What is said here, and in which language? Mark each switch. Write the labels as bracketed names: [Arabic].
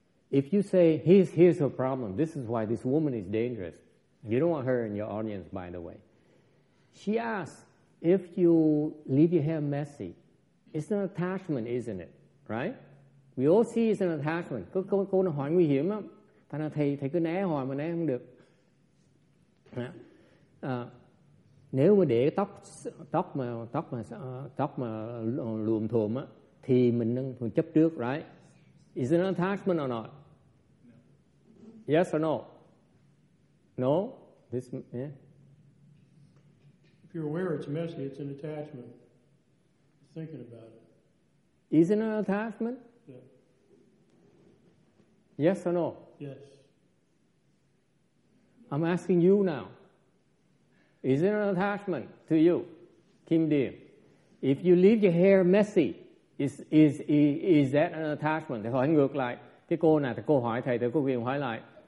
[English] If you say, here's her problem, this is why this woman is dangerous. You don't want her in your audience, by the way. She asks, if you leave your hair messy, it's an attachment, isn't it? Right? We all see it's an attachment. [Vietnamese] Cô nó hỏi nguy hiểm lắm. Thầy nói, thầy cứ né hỏi mà né không được. Nếu mà để tóc mà luồm thùm á thì mình nâng thùm chấp trước, right? [English] Is it an attachment or not? No. Yes or no? No? This, yeah. If you're aware it's messy, it's an attachment. Thinking about it. Is it an attachment? Yeah. Yes or no? Yes. I'm asking you now. Is it an attachment to you, Kim Dia? If you leave your hair messy, is that an attachment? [Vietnamese] Thầy hỏi ngược lại. Cái cô này, thì cô hỏi thầy, thì cô quyền hỏi lại.